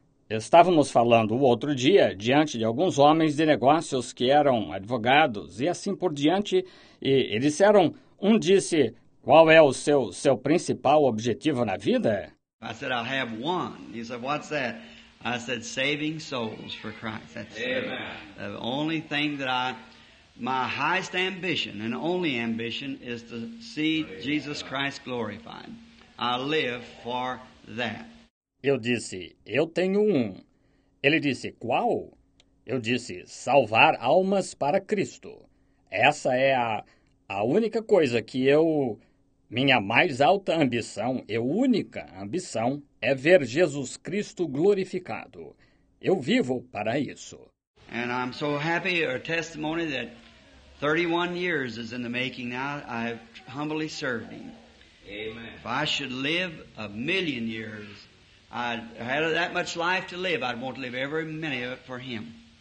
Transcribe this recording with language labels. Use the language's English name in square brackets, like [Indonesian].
[Portuguese] Estávamos falando o outro dia diante de alguns homens de negócios que eram advogados e assim por diante, e disseram, um disse, "Qual é o seu principal objetivo na vida?" [English] I said, "I have one." He said, "What's that?" I said, "Saving souls for Christ." That's the only thing that my highest ambition and only ambition is to see Jesus Christ glorified. I live for that. [Portuguese] Eu disse, "Eu tenho um." Ele disse, "Qual?" Eu disse, "Salvar almas para Cristo. Essa é a única coisa que eu... Minha mais alta ambição, e única ambição, é ver Jesus Cristo glorificado. Eu vivo para isso." [English] And I'm so happy, a testimony that 31 years is in the making now, I've humbly served him. If I should live a million years, I had that much life to live, I'd want to live every minute of it for him.